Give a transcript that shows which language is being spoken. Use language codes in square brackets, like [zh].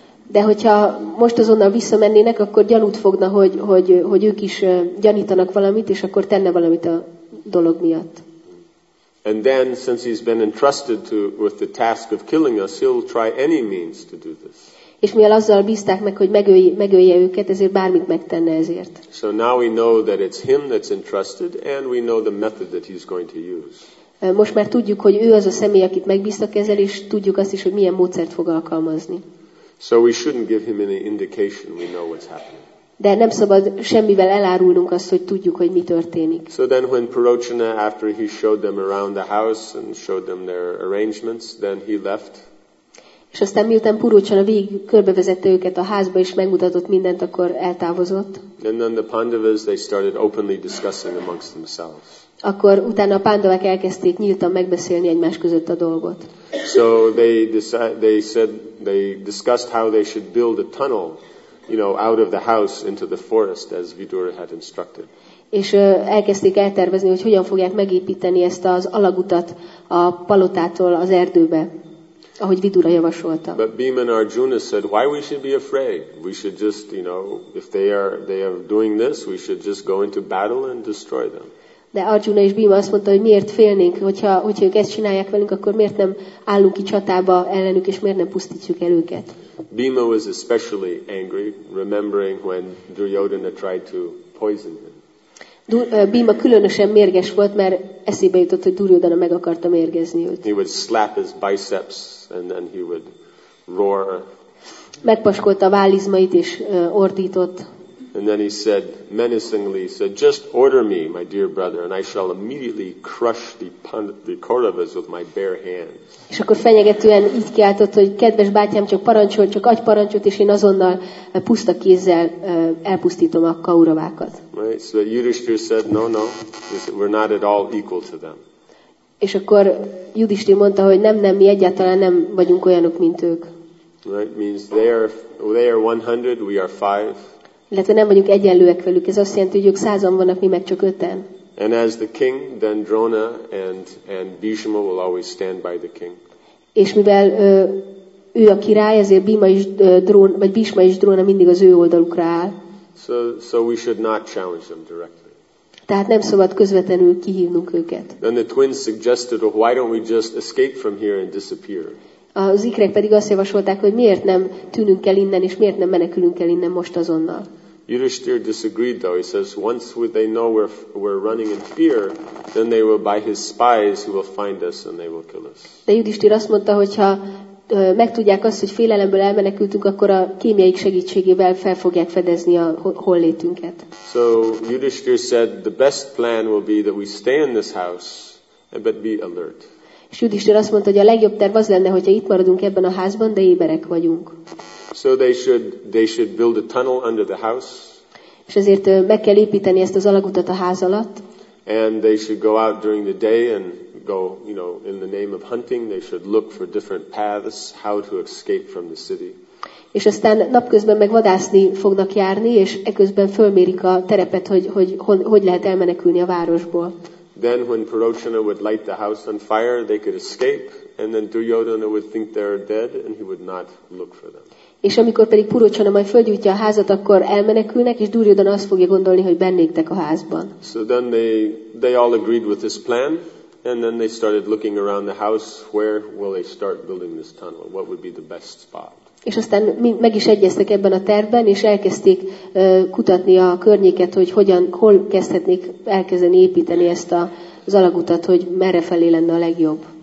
[hu] De hogyha most azonnal visszamennének, akkor gyanút fogna, hogy ők is gyanítanak valamit, és akkor tenne valamit a dolog miatt. [en] And then, since he's been entrusted to with the task of killing us, he'll try any means to do this. [hu] És mivel azzal bízták meg, hogy megölje őket, ezért bármit megtenne ezért. [en] So now we know that it's him that's entrusted, and we know the method that he's going to use. [hu] Most már tudjuk, hogy ő az a személy, akit megbíztak ezzel, és tudjuk azt is, hogy milyen módszert fog alkalmazni. [en] So we shouldn't give him any indication we know what's happening. [hu] De nem szabad semmivel elárulnunk azt, hogy tudjuk, hogy mi történik. [en] So then when Purocsana, after he showed them around the house and showed them their arrangements, then he left. [hu] És aztán miután Purocsana végig körbevezette őket a házba és megmutatott mindent, akkor eltávozott. [en] And then the Pandavas, they started openly discussing amongst themselves. [hu] Akkor utána a Pándavák elkezdték nyíltan megbeszélni egymás között a dolgot. [en] So they discussed how they should build a tunnel, you know, out of the house into the forest, as Vidura had instructed. [hu] És elkezdték eltervezni, hogy hogyan fogják megépíteni ezt az alagutat a palotától az erdőbe, ahogy Vidura javasolta. [en] But Bhima and Arjuna said, why we should be afraid? We should just, you know, if they are doing this, we should just go into battle and destroy them. [hu] De Arjuna és Bhima azt mondta, hogy miért félnénk, hogyha ők ezt csinálják velünk, akkor miért nem állunk ki csatába ellenük, és miért nem pusztítjuk el őket. [en] Bhima was especially angry, remembering when Duryodhana tried to poison him. [hu] Bhima különösen mérges volt, mert eszébe jutott, hogy Duryodhana meg akarta mérgezni őt. [en] He would slap his biceps, and then he would roar. [hu] Megpaskolta a vállizmait, és ordított. [en] And then he said, menacingly, he said, just order me, my dear brother, and I shall immediately crush the Kauravas with my bare hands. [hu] És akkor fenyegetően így kiáltott, hogy kedves bátyám, csak parancsol, csak adj parancsot, és én azonnal puszta kézzel elpusztítom a Kauravákat. [en] Right, so Yudhishthira said, no, we're not at all equal to them. [hu] És akkor Yudhishthira mondta, hogy nem, mi egyáltalán nem vagyunk olyanok, mint ők. [en] Right, means they are 100, we are 5. [hu] Illetve nem vagyunk egyenlőek velük. Ez azt jelenti, hogy ők százan vannak, mi meg csak öten. [en] And as the king, then Drona and Bhishma will always stand by the king. [hu] És mivel ő a király, ezért Bhishma és Drona mindig az ő oldalukra áll. [en] So we should not challenge them directly. [hu] Tehát nem szabad közvetlenül kihívnunk őket. [en] Then the twins suggested, well, why don't we just escape from here and disappear? [hu] Az ikrek pedig azt javasolták, hogy miért nem tűnünk el innen, és miért nem menekülünk el innen most azonnal. [en] Yudhishthira disagreed though. He says, once they know we're running in fear, then they will, by his spies, who will find us and they will kill us. [hu] De Yudhishthira azt mondta, hogyha megtudják azt, hogy félelemből elmenekültünk, akkor a kémiaik segítségével fel fogják fedezni a hollétünket. [en] So Yudhishthira said, the best plan will be that we stay in this house, but be alert. [hu] És Yudhishthira azt mondta, hogy a legjobb terv az lenne, hogyha itt maradunk ebben a házban, de éberek vagyunk. [en] So they should build a tunnel under the house. [hu] És ezért meg kell építeni ezt az alagutat a ház alatt. [en] And they should go out during the day and go, you know, in the name of hunting, they should look for different paths how to escape from the city. [hu] És aztán napközben meg vadászni fognak járni, és eközben fölmérik a terepet, hogy lehet elmenekülni a városból. [en] Then when Purocsana would light the house on fire, they could escape, and then Duryodhana would think they are dead, and he would not look for them. [hu] És amikor pedig Purocsana majd fölgyújtja a házat, akkor elmenekülnek, és Duryodhana azt fogja gondolni, hogy bennéktek a házban. [en] So then they all agreed with this plan, and then they started looking around the house, where will they start building this tunnel, what would be the best spot. [hu] És aztán meg is egyeztek ebben a tervben, és elkezdték kutatni a környéket, hogy hol kezdhetnék elkezdeni építeni ezt az alagutat, hogy merre felé lenne a legjobb.